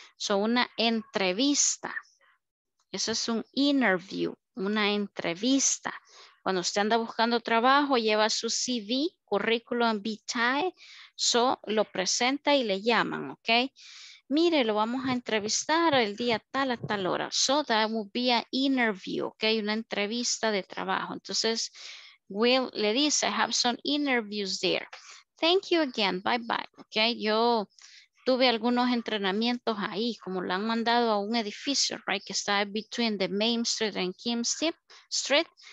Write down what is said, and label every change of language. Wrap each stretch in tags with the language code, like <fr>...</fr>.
<es>Son una entrevista. Eso es un interview, una entrevista. Cuando usted anda buscando trabajo, lleva su CV, currículum vitae, so lo presenta y le llaman, ok. Mire, lo vamos a entrevistar el día tal a tal hora.</es> <en>So that would be an interview, ok,</en> <es>una entrevista de trabajo. Entonces, Will le dice,</es> <en>I have some interviews there. Thank you again. Bye bye. Okay.</en> <es>Yo tuve algunos entrenamientos ahí, como lo han mandado a un edificio, right? Que está</es> <en>between the Main Street and Kim Street.</en>